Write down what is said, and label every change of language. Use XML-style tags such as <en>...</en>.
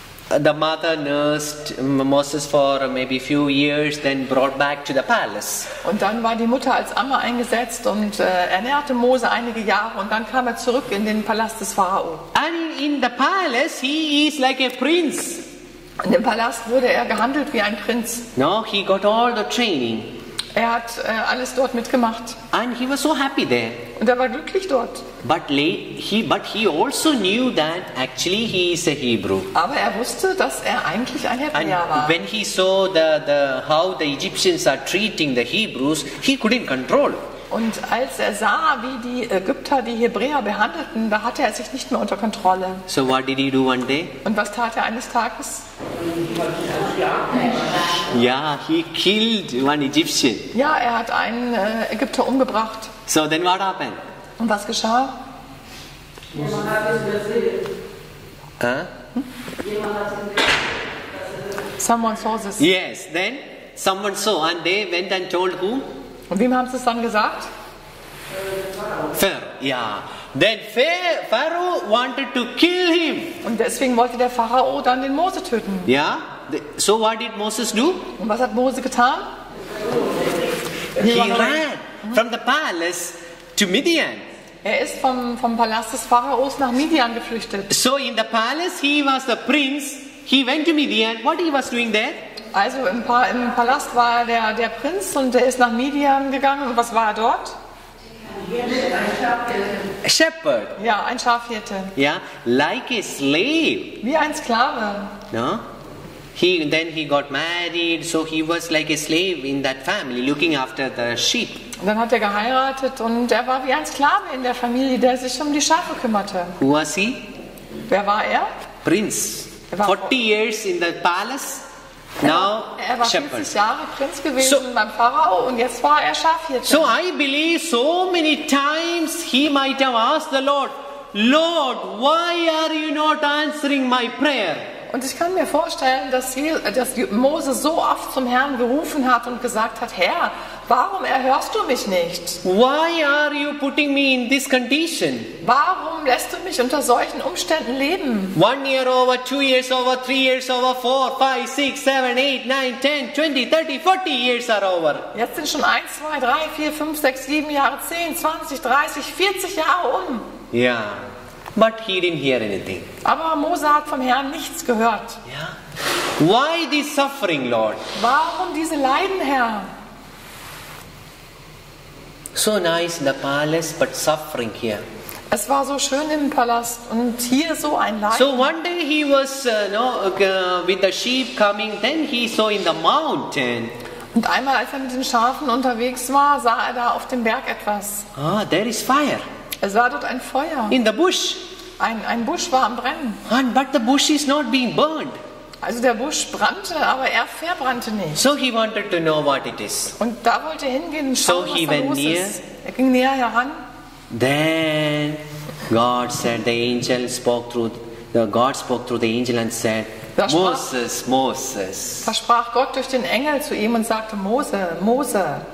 <en>The mother nursed Moses for maybe a few years, then brought back to the palace.</en> <de>Und dann war die Mutter als Amme eingesetzt und ernährte Mose einige Jahre und dann kam er zurück in den Palast des Pharao.</de> <en>And in the palace, he is like a prince.</en> <de>In dem Palast wurde er gehandelt wie ein Prinz.</de> <en>No, he got all the training.</en> <de>Er hat alles dort mitgemacht.</de> <en>And he was so happy there.</en> <de>Und er war glücklich dort.</de> <en>But he also knew that actually he is a Hebrew.</en> <de>Aber er wusste, dass er eigentlich ein Hebräer</de> <en>and</en> <de>war.</de> <en>When he saw the how the Egyptians are treating the Hebrews, he couldn't control.</en> <de>Und als er sah, wie die Ägypter die Hebräer behandelten, da hatte er sich nicht mehr unter Kontrolle.</de> <en>So what did he do one day?</en> <de>Und was tat er eines Tages?</de> <en>Ja, he killed one Egyptian.</en> <de>Ja, er hat einen Ägypter umgebracht.</de> <en>So then what happened?</en> <de>Und was geschah?</de> <en>Someone saw this. Yes, then someone saw and they went and told who?</en> <de>Und wem haben sie es dann gesagt?</de> <en>Pharaoh. Ja. Then Pharaoh wanted to kill him.</en> <de>Und deswegen wollte der Pharao dann den Mose töten.</de> <en>Ja. So what did Moses do?</en> <de>Und was hat Mose getan?</de> <en>He ran from the palace to Midian.</en> <de>Er ist vom Palast des Pharaos nach Midian geflüchtet.</de> <en>So in the palace he was the prince. He went to Midian. What he was doing there?</en> <de>Also im Palast war der Prinz und der ist nach Midian gegangen. Und was war er dort?</de> <en>A shepherd.</en> <de>Ja, ein Schafhirte.</de> <en>Yeah, like a slave.</en> <de>Wie ein Sklave.</de> <en>No? Then he got married, so he was like a slave in that family, looking after the sheep.</en> <de>Und dann hat er geheiratet und er war wie ein Sklave in der Familie, der sich um die Schafe kümmerte.</de> <en>Who was he?</en> <de>Wer war er? Prinz. Er war</de> <en>40 years in the palace. Now,</en> <de>er war 40 Jahre Prinz gewesen beim Pharao und jetzt war er Schafhirte.</de> <en>So I believe so many times he might have asked the Lord, Lord, why are you not answering my prayer?</en> <de>Und ich kann mir vorstellen, dass Mose so oft zum Herrn gerufen hat und gesagt hat, Herr, warum erhörst du mich nicht?</de> <en>Why are you putting me in this condition?</en> <de>Warum lässt du mich unter solchen Umständen leben?</de> <en>1 year over, 2 years over, 3 years over, 4, 5, 6, 7, 8, 9, 10, 20, 30, 40 years are over.</en> <de>Jetzt sind schon 1, 2, 3, 4, 5, 6, 7 Jahre, 10, 20, 30, 40 Jahre um.</de> <en>Ja. Yeah. But he didn't hear anything.</en> <de>Aber Mose hat vom Herrn nichts gehört.</de> <en>Yeah. Why this suffering, Lord?</en> <de>Warum diese Leiden, Herr?</de> <en>So nice in the palace, but suffering here.</en> <de>Es war so schön im Palast und hier so ein Leiden.</de> <en>So one day he was with the sheep coming, then he saw in the mountain.</en> <de>Und einmal, als er mit den Schafen unterwegs war, sah er da auf dem Berg etwas.</de> <en>Ah, there is fire.</en> <de>Es war dort ein Feuer.</de> <en>In the bush.</en> <de>Ein Busch war am Brennen.</de> <en>And, but the bush is not being burned.</en> <de>Also der Busch brannte, aber er verbrannte nicht.</de> <en>So he wanted to know what it is.</en> <de>Und da wollte er hingehen und schauen, was da los</de> <en>near.</en> <de>Ist. Er ging näher heran.</de> <en>Then God said, God spoke through the angel and said, Moses, Moses.</en> <de>Da sprach Gott durch den Engel zu ihm und sagte, Mose, Mose.</de>